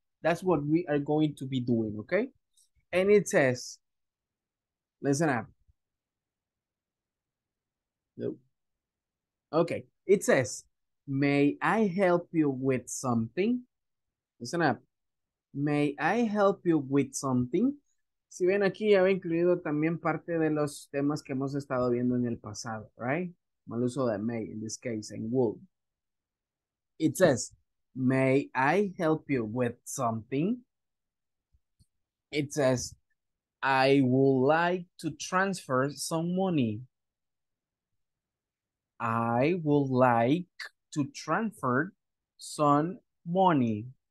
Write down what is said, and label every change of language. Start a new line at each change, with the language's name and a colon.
English: That's what we are going to be doing, okay? And it says, listen up. Nope. Okay, it says, may I help you with something? Listen up. May I help you with something?
Spanish: Si ven aquí, ya he incluido también parte de los temas que hemos estado viendo en el pasado, right? Mal uso de
English: may, in this case, and will. It says, may I help you with something? It says, I would like to transfer some money. I would like to transfer some money.